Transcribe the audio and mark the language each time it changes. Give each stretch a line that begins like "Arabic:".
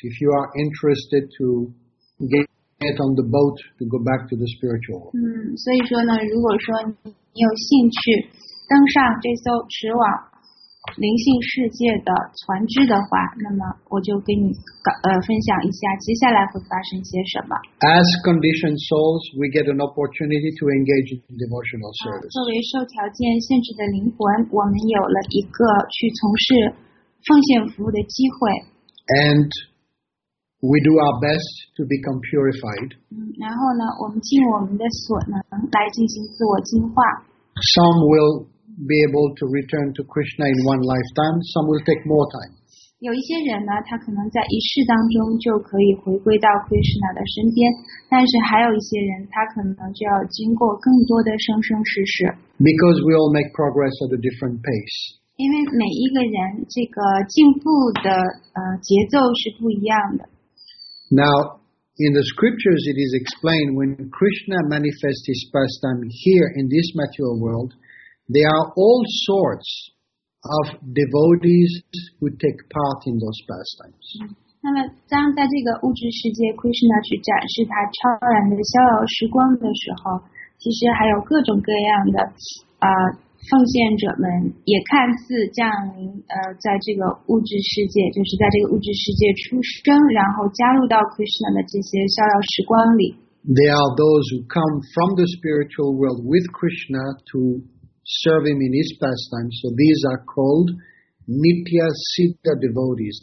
English: If you are interested to get on the boat to go back to the spiritual world.
Chinese: 所以说呢，如果说你有兴趣登上这艘驶往灵性世界的船只的话，那么我就跟你分享一下接下来会发生些什么。
English: As conditioned souls, we get an opportunity to engage in devotional service.
Chinese: 作为受条件限制的灵魂，我们有了一个去从事奉献服务的机会。
English: And we do our best to become purified.
Chinese: 然后呢，我们尽我们的所能来进行自我净化。
English: Some will be able to return to Krishna in one lifetime. Some will take more time.
Chinese: 有一些人呢，他可能在一世当中就可以回归到 Krishna 的身边，但是还有一些人，他可能就要经过更多的生生世世。
English: Because we all make progress at a different pace.
Chinese: 因为每一个人这个进步的节奏是不一样的。
English: Now, in the scriptures, it is explained when Krishna manifests his pastime here in this material world. There are all sorts of devotees who take part in those pastimes.
Chinese: 那么当在这个物质世界 Krishna 去展示他超然的逍遥时光的时候，其实还有各种各样的奉献者们也看似降临在这个物质世界，就是在这个物质世界出生，然后加入到 Krishna 的这些逍遥时光里。
English: There are those who come from the spiritual world with Krishna toserve him in his pastime, so these are called Nitya Siddha devotees.